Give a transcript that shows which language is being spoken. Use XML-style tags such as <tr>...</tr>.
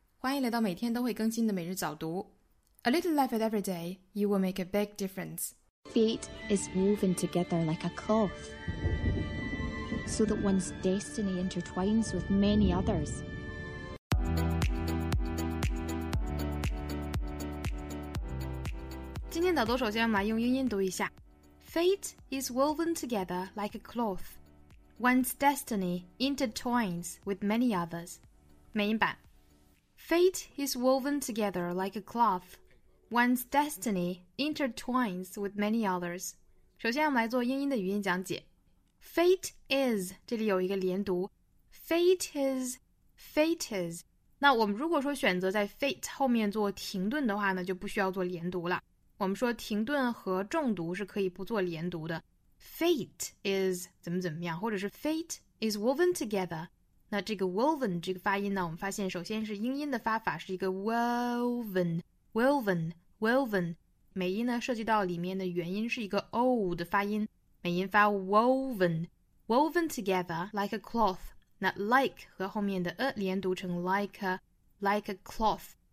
<zh>欢迎来到每天都会更新的每日早读。</zh> <en>A little life at every day, you will make a big difference. Fate is woven together like a cloth, so that one's destiny intertwines with many others.</en> <zh>今天早读首先我们来用英音读一下。</zh> <en>Fate is woven together like a cloth, one's destiny intertwines with many others.</en> <zh>美音版</zh> <en>Fate is woven together like a cloth. One's destiny intertwines with many others.</en> <zh>首先我们来做英音的语音讲解。</zh> <en>Fate is,</en> <zh>这里有一个连读。</zh> <en>Fate is.</en> <zh>那我们如果说选择在 fate 后面做停顿的话呢，就不需要做连读了。我们说停顿和重读是可以不做连读的。</zh> <en>Fate is</en> <zh>怎么怎么样，或者是</zh> <en>fate is woven together.</en> <zh>那这个 woven 这个发音呢，我们发现首先是英音的发法是一个 woven 美音呢涉及到里面的元音是一个 o 的发音，美音发</zh> <en>woven together like a cloth，</en> <zh>那 like 和后面的连读成</zh> <en>like a cloth。</en>